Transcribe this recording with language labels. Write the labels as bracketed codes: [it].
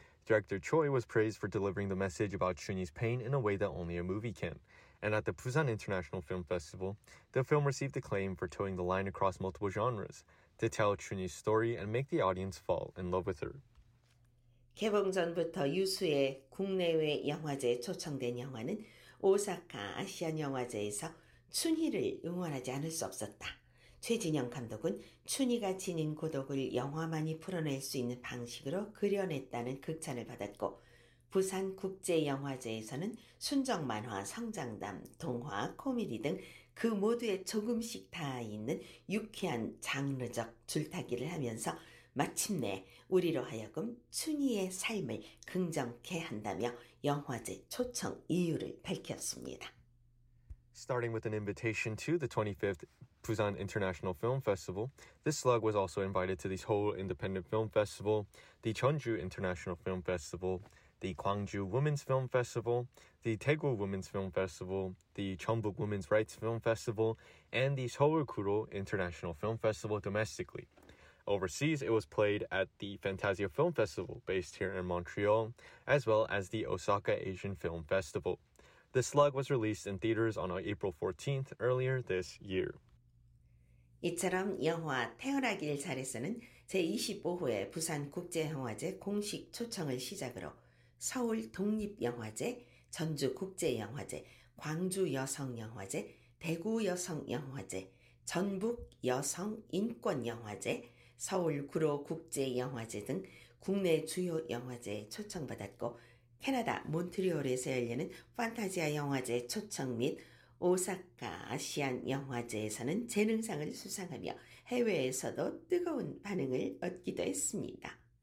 [en] Director Choi was praised for delivering the message about Chun-hee's pain in a way that only a movie can. And at the Busan International Film Festival, the film received acclaim for towing the line across multiple genres to tell Chun-hee's story and make the audience fall in love with her. [ko] 개봉 전부터 유수의 국내외 영화제에 초청된 영화는 오사카 아시안 영화제에서 춘희를 응원하지 않을 수 없었다. 최진영 감독은 춘희가 지닌 고독을 영화만이 풀어낼 수 있는 방식으로 그려냈다는 극찬을 받았고 부산 국제영화제에서는 순정 만화, 성장담, 동화, 코미디 등 그 모두에 조금씩 닿아 있는 유쾌한 장르적 줄타기를 하면서 마침내 우리로 하여금 춘희의 삶을 긍정케 한다며 영화제 초청 이유를 밝혔습니다. [en] Starting with an invitation to the 25th Busan International Film Festival, This Slug was also invited to the Seoul Independent Film Festival, the Jeonju International Film Festival, the Gwangju Women's Film Festival, the Daegu Women's Film Festival, the Jeonbuk Women's Rights Film Festival, and the Seoul Kuro International Film Festival domestically. Overseas, it was played at the Fantasia Film Festival based here in Montreal, as well as the Osaka Asian Film Festival. The Slug was released in theaters on April 14th earlier this year. [ko] 이처럼 영화 태어나길 잘해서는 제25회 부산국제영화제 공식 초청을 시작으로 서울 독립영화제, 전주국제영화제, 광주여성영화제, 대구여성영화제, 전북여성인권영화제, 서울구로국제영화제 등 국내 주요 영화제에 초청받았고 캐나다 몬트리올에서 열리는 판타지아 영화제 초청 및 오사카 아시안 영화제에서는 재능상을 수상하며 해외에서도 뜨거운 반응을 얻기도 했습니다.